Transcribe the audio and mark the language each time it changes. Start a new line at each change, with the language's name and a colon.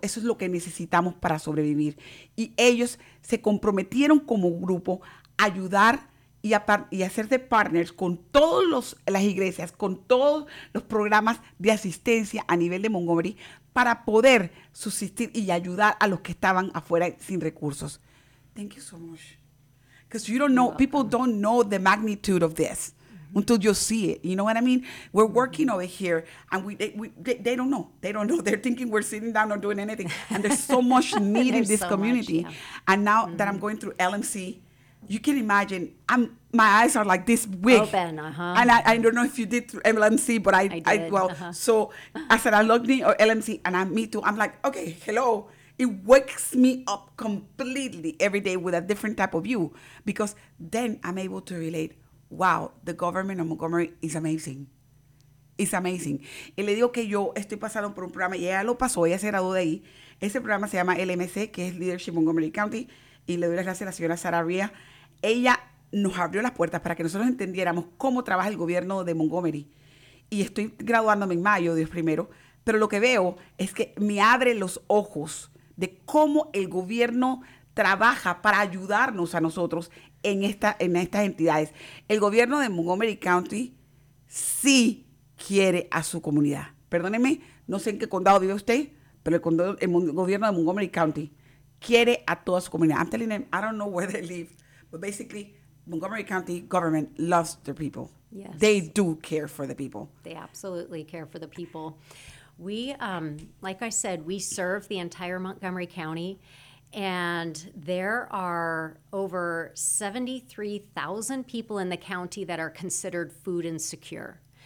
Spanish: Eso es lo que necesitamos para sobrevivir. Y ellos se comprometieron como grupo a ayudar y hacerse partners con todas las iglesias, con todos los programas de asistencia a nivel de Montgomery para poder subsistir y ayudar a los que estaban afuera sin recursos.
English: Thank you so much. Because you don't know, people don't know the magnitude of this until you see it. You know what I mean? We're working over here and they don't know. They don't know. They're thinking we're sitting down or doing anything. And there's so much need in this so community. Much, yeah. And now that I'm going through LMC, you can imagine, my eyes are like this big. Open, uh-huh. And I don't know if you did through LMC, but I did. As an alumni or LMC, and I'm like, okay, hello. It wakes me up completely every day with a different type of view, because then I'm able to relate, wow, the government of Montgomery is amazing. It's amazing.
Spanish: Y le digo que yo estoy pasando por un programa, y ella lo pasó, ella se graduó de ahí. Ese programa se llama LMC, que es Leadership Montgomery County, y le doy las gracias a la señora Sara Ría. Ella nos abrió las puertas para que nosotros entendiéramos cómo trabaja el gobierno de Montgomery. Y estoy graduándome en mayo, Dios primero, pero lo que veo es que me abre los ojos de cómo el gobierno trabaja para ayudarnos a nosotros en estas entidades. El gobierno de Montgomery County sí quiere a su comunidad. Perdóneme, no sé en qué condado vive usted, pero el gobierno de Montgomery County quiere a toda su comunidad.
English: I'm telling them, I don't know where they live, but basically, Montgomery County government loves their people. Yes. They do care for the people. They absolutely care for the people. We, like I said, we serve the entire Montgomery County, and there are over 73,000 people in the county that are considered food insecure.